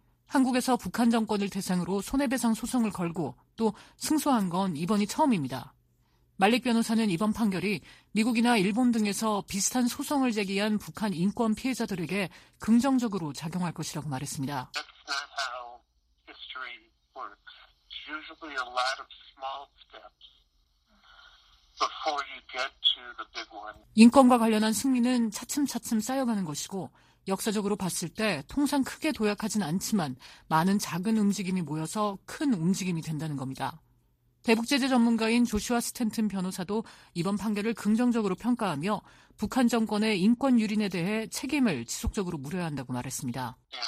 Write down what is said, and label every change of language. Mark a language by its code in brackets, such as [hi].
[ko] 한국에서 북한 정권을 대상으로 손해배상 소송을 걸고 또 승소한 건 이번이 처음입니다. 말릭 변호사는 이번 판결이 미국이나 일본 등에서 비슷한 소송을 제기한 북한 인권 피해자들에게 긍정적으로 작용할 것이라고 말했습니다. [en] That's not how history works. Usually a lot of small steps before you get to the big one. [ko] 인권과 관련한 승리는 차츰차츰 쌓여가는 것이고 역사적으로 봤을 때 통상 크게 도약하진 않지만 많은 작은 움직임이 모여서 큰 움직임이 된다는 겁니다. 대북제재 전문가인 조슈아 스탠튼 변호사도 이번 판결을 긍정적으로 평가하며 북한 정권의 인권 유린에 대해 책임을 지속적으로 물어야 한다고 말했습니다.